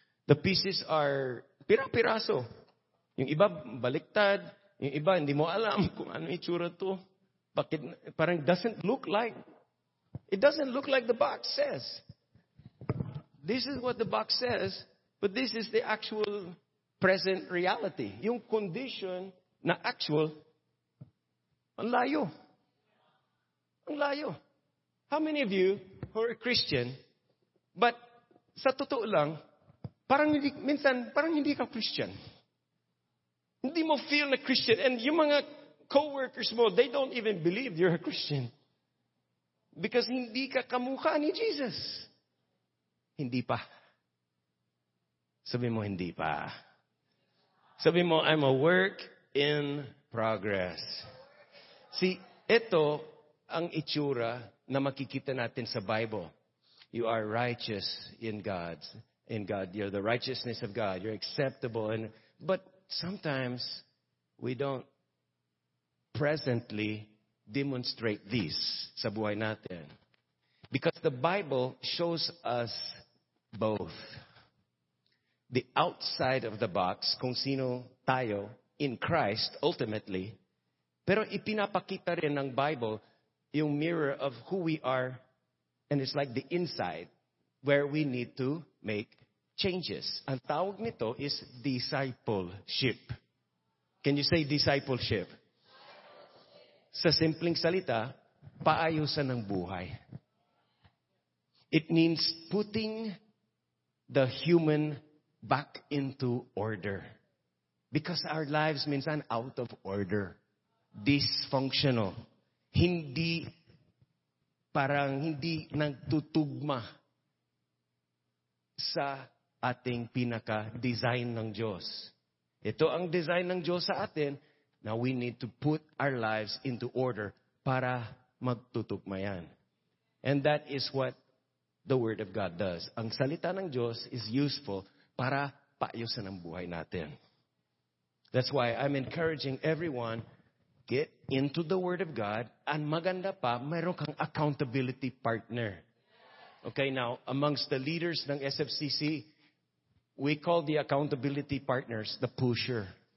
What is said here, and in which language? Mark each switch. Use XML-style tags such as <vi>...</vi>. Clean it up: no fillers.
<en>The pieces are pira-piraso.</en> <tl>Yung iba baliktad. Yung iba, hindi mo alam kung ano itsura to. Bakit, parang</tl> <en>doesn't look like, it doesn't look like the box says. This is what the box says, but this is the actual present reality.</en> <tl>Yung condition na actual, ang layo. Ang layo.</tl> <en>How many of you who are a Christian, but</en> <tl>sa totoo lang, parang hindi, minsan, parang hindi ka Christian. Hindi mo feel na Christian.</tl> <en>And</en> <tl>yung mga</tl> <en>co-workers mo, they don't even believe you're a Christian.</en> <tl>Because hindi ka kamukha ni Jesus. Hindi pa. Sabi mo, hindi pa. Sabi mo,</tl> <en>I'm a work in progress.</en> <tl>See, ito ang itsura na makikita natin sa Bible.</tl> <en>You are righteous in God's. In God, you're the righteousness of God. You're acceptable. But sometimes we don't presently demonstrate this</en> <tl>sa buhay natin.</tl> <en>Because the Bible shows us both. The outside of the box,</en> <tl>kung sino tayo</tl> <en>in Christ, ultimately.</en> <tl>Pero ipinapakita rin ng Bible yung</tl> <en>mirror of who we are. And it's like the inside where we need to make changes.</en> <tl>Ang tawag nito</tl> <en>is discipleship. Can you say discipleship?</en> <tl>Sa simpleng salita, paayusan ng buhay.</tl> <en>It means putting the human back into order. Because our lives minsan out of order. Dysfunctional.</en> <tl>Hindi, parang hindi nagtutugma sa ating pinaka-design ng Diyos. Ito ang design ng Diyos sa atin na</tl> <en>we need to put our lives into order</en> <tl>para magtutugma yan.</tl> <en>And that is what the Word of God does.</en> <tl>Ang salita ng Diyos</tl> <en>is useful</en> <tl>para paayusan ang buhay natin.</tl> <en>That's why I'm encouraging everyone, get into the Word of God, and</en> <tl>maganda pa, mayroon kang</tl> <en>accountability partner. Okay, now, amongst the leaders ng SFCC, we call the accountability partners the pusher.</en>